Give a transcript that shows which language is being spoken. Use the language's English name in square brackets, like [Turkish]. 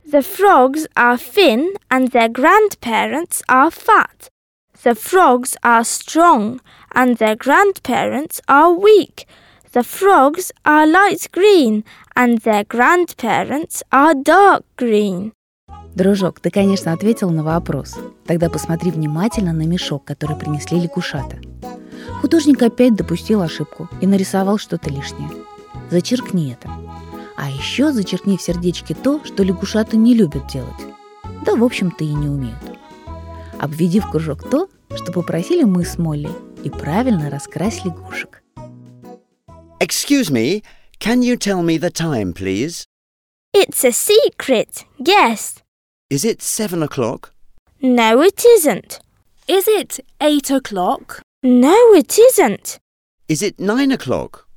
[English] The frogs are thin and their grandparents are fat. The frogs are strong and their grandparents are weak. The frogs are light green and their grandparents are dark green. [Russian] Дружок, ты, конечно, ответил на вопрос. Тогда посмотри внимательно на мешок, который принесли лягушата. Художник опять допустил ошибку и нарисовал что-то лишнее. Зачеркни это. А еще зачеркни в сердечке то, что лягушата не любят делать. Да, в общем-то, и не умеют. Обведи в кружок то, что попросили мы с Молли, и правильно раскрась лягушек. [English] Excuse me, can you tell me the time, please? It's a secret. Yes. Is it 7 o'clock? No, it isn't. Is it 8 o'clock? No, it isn't. Is it 9 o'clock?